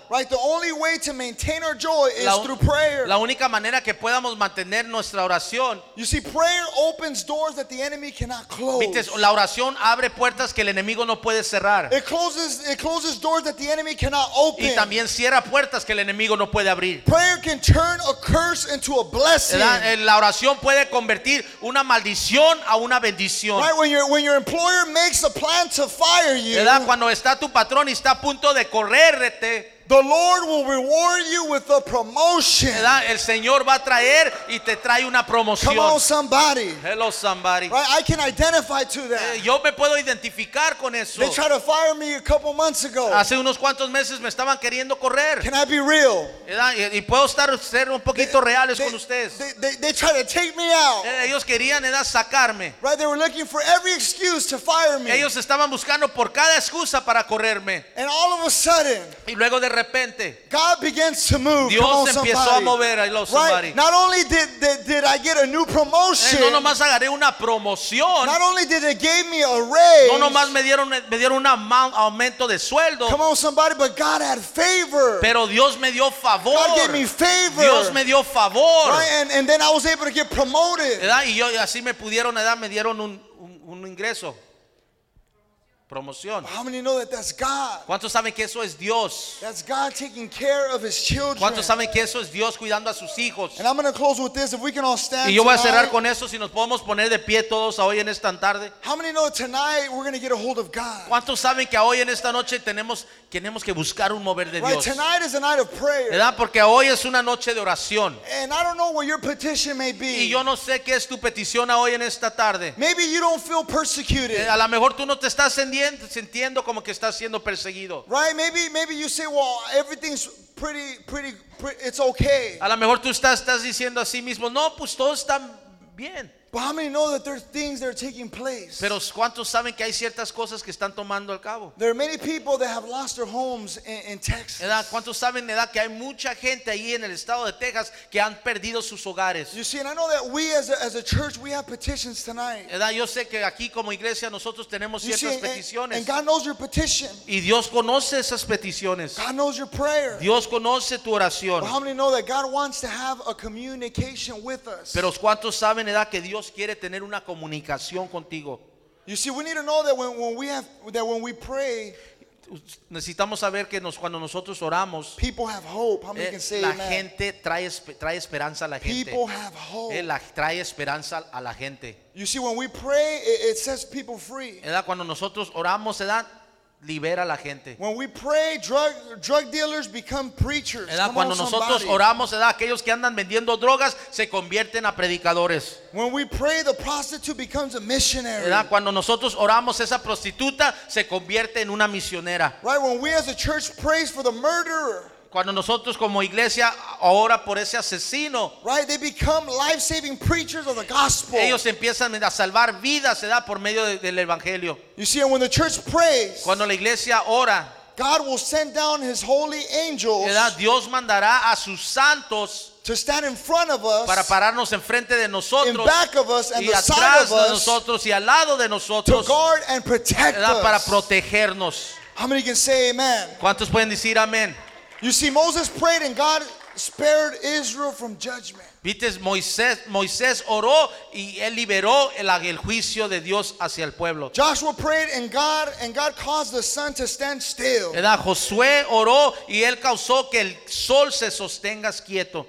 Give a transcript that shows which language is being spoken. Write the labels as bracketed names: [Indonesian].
[English] Right, the only way to maintain our joy is through prayer. [Spanish] La única manera que podamos mantener nuestra oración. [English] You see, prayer opens doors that the enemy cannot close. [Spanish] ¿Viste? La oración abre puertas que el enemigo no puede cerrar. [English] It closes doors that the enemy cannot open. [Spanish] Y también cierra puertas que el enemigo no puede abrir. [English] Prayer can turn a curse into a blessing. [Spanish] La oración puede convertir una maldición a una bendición. [English] Right, when your employer makes a plan to fire you. [Spanish] ¿Verdad? Cuando está tu patrón y está a punto de correrte. [English] The Lord will reward you with a promotion. [Spanish] ¿Verdad? El Señor va a traer y te trae una promoción. [English] Come on, somebody. Hello, somebody. Right? I can identify to that. [Spanish] Yo me puedo identificar con eso. [English] They tried to fire me a couple months ago. [Spanish] Hace unos cuantos meses me estaban queriendo correr. [English] Can I be real? [Spanish] Y puedo ser un poquito reales con ustedes. [English] They tried to take me out. [Spanish] Ellos querían sacarme. [English] Right? They were looking for every excuse to fire me. [Spanish] Ellos estaban buscando por cada excusa para correrme. [English] And all of a sudden. [Spanish] Y luego de repente, [English] God begins to move. [Spanish] Dios empezó a mover a los [English] somebody. Right? Not only did I get a new promotion. [Spanish] No nomás agarré una promoción. [English] Not only did they give me a raise. [Spanish] No nomás me dieron un aumento de sueldo. [English] Come on somebody, but God had favor. [Spanish] Pero Dios me dio favor. [English] God gave me favor. [Spanish] Dios me dio favor. [English] Right? And then I was able to get promoted. [Spanish] ¿Verdad? Y yo así me pudieron, ¿verdad? Me dieron un ingreso. Promoción. [English] How many know that that's God? [Spanish] ¿Cuántos saben que eso es Dios? [English] That's God taking care of His children. [Spanish] ¿Cuántos saben que eso es Dios cuidando a sus hijos? [English] And I'm going to close with this. If we can all stand. [Spanish] Y yo voy a cerrar con eso si nos podemos poner de pie todos hoy en esta tarde. [English] How many know that tonight we're going to get a hold of God? [Spanish] ¿Cuántos saben que hoy en esta noche tenemos que buscar un mover de Dios? [English] Right, tonight is a night of prayer. [Spanish] ¿Verdad? Porque hoy es una noche de oración. [English] And I don't know what your petition may be. [Spanish] Y yo no sé qué es tu petición hoy en esta tarde. [English] Maybe you don't feel persecuted. [Spanish] A lo mejor tú no te estás sintiendo como que estás siendo perseguido. [English] Right, maybe you say, well, everything's pretty, it's okay. [Spanish] A lo mejor tú estás diciendo a sí mismo, no, pues todo está bien. [English] But how many know that there are things that are taking place? [Spanish] Pero ¿cuántos saben que hay ciertas cosas que están tomando al cabo? [English] There are many people that have lost their homes in Texas. [Spanish] ¿Verdad? ¿Cuántos saben, verdad, que hay mucha gente ahí en el estado de Texas que han perdido sus hogares? [English] You see, and I know that we as a church, we have petitions tonight. [Spanish] ¿Verdad? Yo sé que aquí como iglesia nosotros tenemos ciertas peticiones. [English] And God knows your petition. [Spanish] Y Dios conoce esas peticiones. [English] God knows your prayer. [Spanish] Dios conoce tu oración. [English] But how many know that God wants to have a communication with us? [Spanish] Pero ¿cuántos saben, verdad, que Dios quiere tener una comunicación contigo? [English] You see, we need to know that when we pray, [Spanish] necesitamos saber que cuando nosotros oramos, [English] people have hope. How many can say [Spanish] la gente trae esperanza a la gente. [English] People have hope. [Spanish] Trae esperanza a la gente. [English] You see, when we pray, it sets people free. [Spanish] Cuando nosotros oramos, libera la gente. [English] When we pray, drug dealers become preachers. [Spanish] Cuando nosotros oramos, aquellos que andan vendiendo drogas se convierten a predicadores. [English] When we pray, the prostitute becomes a missionary. [Spanish] Cuando nosotros oramos, esa prostituta se convierte en una misionera. [English] Right, when we as a church prays for the murderer. [Spanish] Cuando nosotros como iglesia ora por ese asesino, [English] right, they become life-saving preachers of the gospel. [Spanish] Ellos empiezan a salvar vidas, ¿verdad?, por medio del evangelio. [English] You see, and when the church prays, [Spanish] cuando la iglesia ora, [English] God will send down His holy angels, [Spanish] ¿verdad?, Dios mandará a sus santos [English] to stand in front of us, [Spanish] para pararnos enfrente de nosotros, [English] in back of us and [Spanish] y [English] the side [Spanish] atrás [English] of us, [Spanish] de nosotros y al lado de nosotros, [English] to guard and protect, [Spanish] ¿verdad?, [English] us, [Spanish] para protegernos. [English] How many can say amen? [Spanish] ¿Cuántos pueden decir amén? [English] You see, Moses prayed and God spared Israel from judgment. [Spanish] Viste, Moisés oró y él liberó el juicio de Dios hacia el pueblo. [English] Joshua prayed and God caused the sun to stand still. [Spanish] Josué oró y él causó que el sol se sostenga quieto.